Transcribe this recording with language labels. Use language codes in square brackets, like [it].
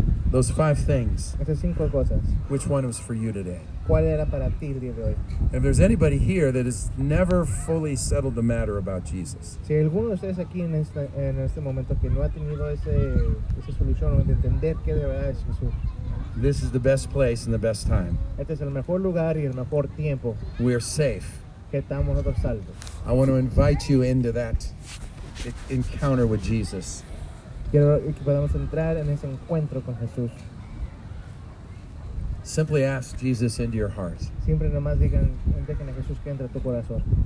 [en] Those five things. Which one was for you today? And if there's anybody here that has never fully settled the matter about Jesus. This is the best place and the best time. [es] Este es el mejor lugar y el mejor tiempo. [en] We are safe. [es] Que estamos nosotros salvos. [en] I want to invite you into that encounter with Jesus. [es] Quiero que podamos entrar en ese encuentro con Jesús. [en] Simply ask Jesus into your heart. [es] Siempre nomás digan, dejen a Jesús que entre a tu corazón.